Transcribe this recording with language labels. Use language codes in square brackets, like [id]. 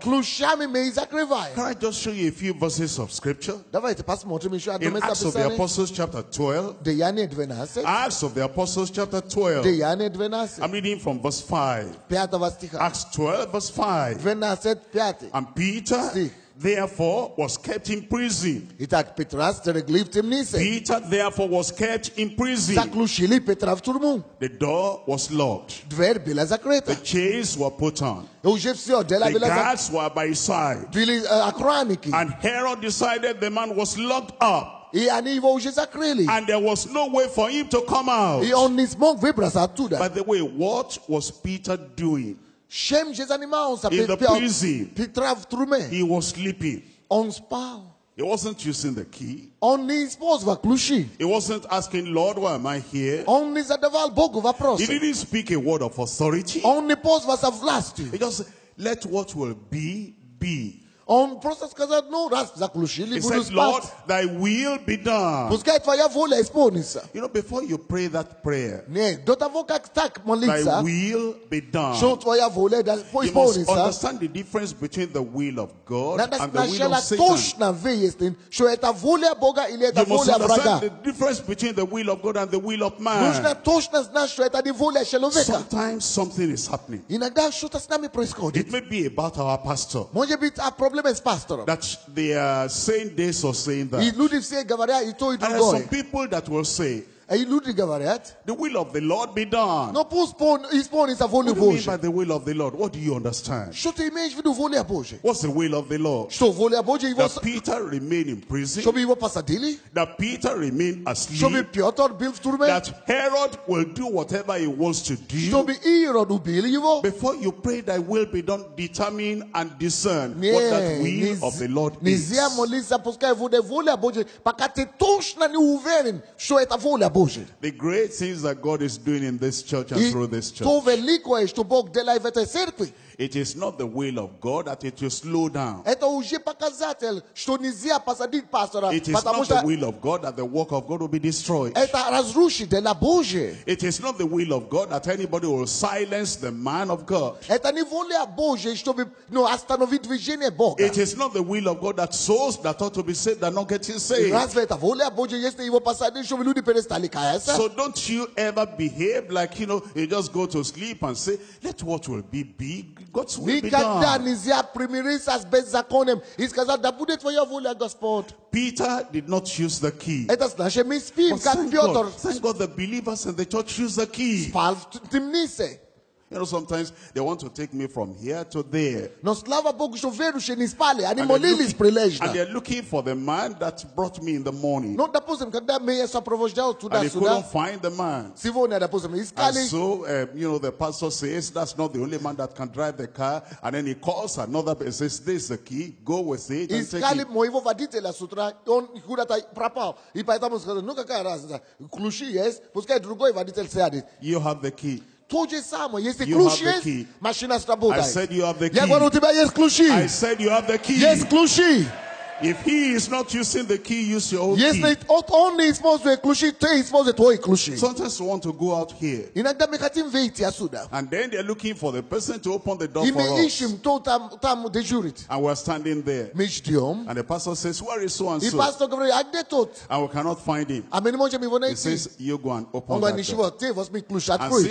[en] Can I just show you a few verses of scripture? In Acts of the Apostles chapter 12. Acts of the Apostles chapter 12. I'm reading from verse 5. Acts 12 verse 5. And Peter, therefore was kept in prison. [ru] Итак, Петра стерегли в темнице. [en] Peter therefore was kept in prison. [ru] Заключили Петра в тюрьму. [en] The door was locked. [ru] Дверь была закрыта. [en] The chains were put on. [ru] Уже все, дела были закрыты. [en] The guards were by his side. [ru] Били охранники. [en] And Herod decided the man was locked up. [ru] И они его уже закрыли. [en] And there was no way for him to come out. [ru] И он не смог выбраться оттуда. [en] By the way, what was Peter doing? Shame [ru] же занимал за [en] prison. [ru] Петра в тюрьме. [en] He was sleeping. [ru] Он спал. [en] He wasn't using the key. [ru] Он не использовал ключи. [en] He wasn't asking, Lord, why am I here? [ru] Он не задавал Богу вопрос. [en] He didn't speak a word of authority. [ru] Он не позвал за власть. [en] He just said, let what will be, be. [ru] Он просто сказал, ну, раз заключили, буду спать. [en] He said, Lord, thy will be done. [ru] Пускай твоя воля исполнится. [en] You know, before you pray that prayer, [ru] нет, до того, как так молиться, [en] thy will be done, [ru] что твоя воля да, исполнится, [en] you must understand the difference between the will of God and the will of Satan. [ru] Надо точно выяснить, что это воля Бога или это воля врага. [en] You must understand the difference between the will of God and the will of man. [ru] Нужно точно знать, что это не воля человека. [en] Sometimes something is happening. [ru] Иногда что-то с нами происходит. [en] It may be about our pastor. [ru] Может быть, о проблеме. [en] That they are saying this or saying that. And there are some people that will say, the will of the Lord be done. No, postpone is a what do you mean by the will of the Lord? What do you understand? What's the will of the Lord? That Peter remain in prison. That Peter remain asleep. That Herod will do whatever he wants to do. Before you pray, thy will be done, determine and discern what that will of the Lord is. The great things that God is doing in this church and through this church. It is not the will of God that it will slow down. [ru] Это уже показатель, что нельзя посадить пастора, [en] it is not the will of God that the work of God will be destroyed. [ru] Это разрушит дело Божие. [en] It is not the will of God that anybody will silence the man of God. [ru] Это не воля Божия, чтобы но остановить движение Бога. [en] It is not the will of God that souls that ought to be saved are not getting saved. [ru] Разве это воля Божия, если его посадить, чтобы люди перестали каяться? [en] So don't you ever behave like you know you just go to sleep and say, let what will be big. God's will be done. He [ru] сказал, да будет твоя воля, Господь. [en] Peter did not use the key. [ru] Это значит, мы спим, как Петр. [en] Thank God the believers in the church use the key. [ru] Спал в темнице. [en] You know, sometimes they want to take me from here to there. [ru] Но слава Богу, что верующие не спали, они молились прилежно. [en] And they're looking for the man that brought me in the morning. [ru] Но допустим, когда меня сопровождал туда-сюда. [en] And they couldn't find the man. [ru] Сегодня, допустим, искали. [en] And so, you know, the pastor says, that's not the only man that can drive the car. And then he calls another, and says, this is the key, go with it and take it. [ru] Искали моего водителя с утра, он куда-то пропал. И поэтому сказал, ну какая разница, ключи есть, пускай другой водитель сядет. [en] You have the key. [ru] То же самое. Если ключ есть, машина сработает. [en] I said you have the key. [ru] Я говорю, у тебя есть ключи. [en] I said you have the key. [ru] Есть ключи. [en] If he is not using the key, use your own [ru] если [en] key. [ru] Если он не использует ключи, ты используй твой ключ. [en] Sometimes we want to go out here. [ru] Иногда мы хотим выйти отсюда. [en] And then they're looking for the person to open the door [ru] и [en] for us. [ru] И мы ищем то там дежурит. [en] And we're standing there. [ru] Мы ждем. [en] And the pastor says, where is so and so? [ru] И пастор говорит, а где тот? [en] And we cannot find him. [ru] А мы не можем его найти. [en] He says, you go and open [ru] он [en] that [ru] говорит, [en] door. [ru] Он говорит, ты возьми ключ, открой.